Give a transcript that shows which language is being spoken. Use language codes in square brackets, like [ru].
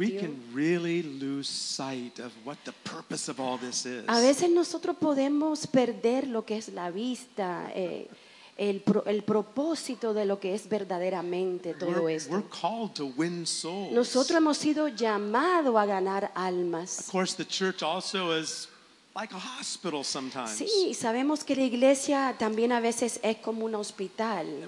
[en] We can really lose sight of what the purpose of all this is. [es] A veces nosotros podemos perder lo que es la vista, el propósito de lo que es verdaderamente todo esto. [en] We're called to win souls. [es] Nosotros hemos sido llamados a ganar almas. [en] Of course, the church also is like a hospital sometimes. [es] Sí, sabemos que la iglesia también a veces es como un hospital.